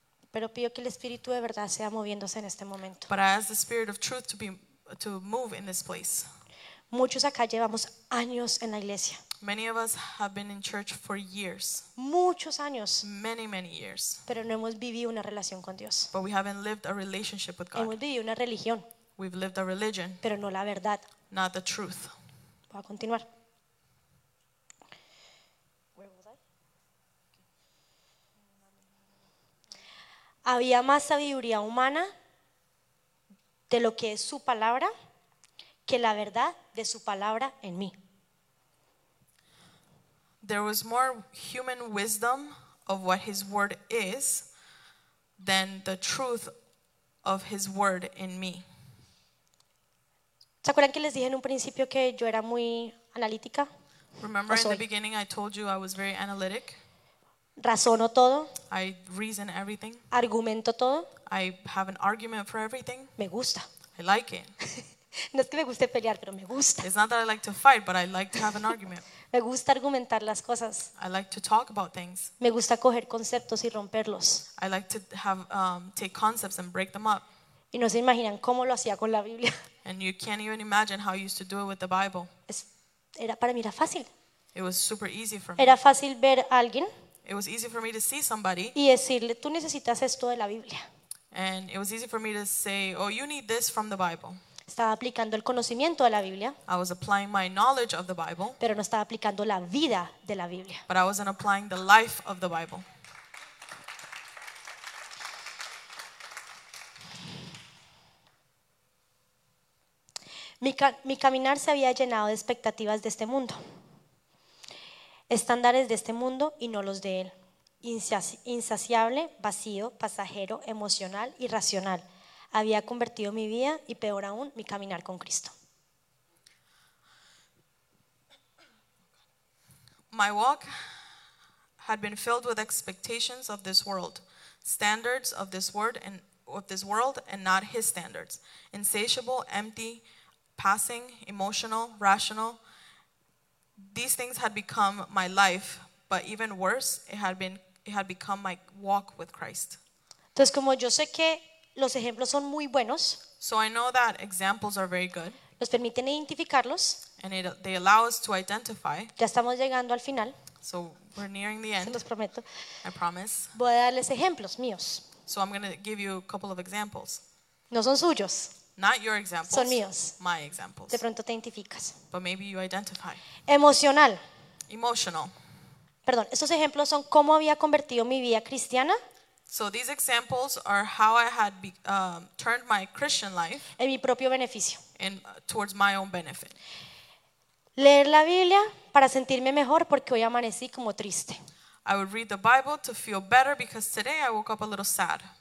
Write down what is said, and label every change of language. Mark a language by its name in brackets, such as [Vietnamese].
[Spanish] Pero pido que el Espíritu de verdad sea moviéndose en este momento. [English] But I ask the Spirit of Truth to move in this place. [Spanish] Muchos acá llevamos años en la iglesia. [English] Many of us have been in church for years. [Spanish] Muchos años. [English] Many, many years. [Spanish] Pero no hemos vivido una relación con Dios. [English] But we haven't lived a relationship with God. [Spanish] Hemos vivido una religión. [English] We've lived a religion. [Spanish] Pero no la verdad. [English] Not the truth. [Spanish] Voy a continuar. Había más sabiduría humana de lo que es su palabra que la verdad de su palabra en mí. [English] There was more human wisdom of what his word is than the truth of his word in me. [Spanish] ¿Se acuerdan que les dije en un principio que yo era muy analítica? [English] Remember in the beginning I told you I was very analytic. [Spanish] Razono todo. [English] I reason everything. [Spanish] Argumento todo. [English] I have an argument for everything. [Spanish] Me gusta. [English] I like it. [Spanish] No es que me guste pelear, pero me gusta. [English] It's not that I like to fight, but I like to have an argument. [Spanish] Me gusta argumentar las cosas. [English] I like to talk about things. [Spanish] Me gusta coger conceptos y romperlos. [English] I like to have take concepts and break them up. [Spanish] Y no se imaginan cómo lo hacía con la Biblia. [English] And you can't even imagine how I used to do it with the Bible. [Spanish] Para mí era fácil. [English] It was super easy for me. [Spanish] Era fácil ver a alguien. [English] It was easy for me to see somebody. [Spanish] Y decirle, tú necesitas esto de la Biblia. [English] And it was easy for me to say, oh, you need this from the Bible. [Spanish] Estaba aplicando el conocimiento de la Biblia. [English] I was applying my knowledge of the Bible. [Spanish] Pero no estaba aplicando la vida de la Biblia. [English] But I wasn't applying the life of the Bible. [Spanish] Mi caminar se había llenado de expectativas de este mundo, estándares de este mundo y no los de él. Insaciable, vacío, pasajero, emocional y racional. Había convertido mi vida y peor aún, mi caminar con Cristo. [English] My walk had been filled with expectations of this world, standards of this word and of this world and not his standards. Insatiable, empty, passing, emotional, rational. These things had become my life, but even worse, it had become my walk with Christ. [Spanish] Entonces, como yo sé que los ejemplos son muy buenos, [English] so I know that examples are very good. [Spanish] Nos permiten identificarlos. [English] And they allow us to identify. [Spanish] Ya estamos llegando al final. [English] So we're nearing the end. [Spanish] Se los prometo. [English] I promise. [Spanish] Voy a darles ejemplos míos. [English] So I'm going to give you a couple of examples. [Spanish] No son suyos. [English] Not your examples. [Spanish] Son míos. [English] My examples. [Spanish] De pronto te identificas. [English] But maybe you identify. [Spanish] Emocional. [English] Emotional. [Spanish] Perdón, estos ejemplos son cómo había convertido mi vida cristiana. [English] So these examples are how I had turned my Christian life. [Spanish] En mi propio beneficio. [English] Towards my own benefit. [Spanish] Leer la Biblia para sentirme mejor porque hoy amanecí como triste. [English] I would read the Bible to feel better because today I woke up a little sad.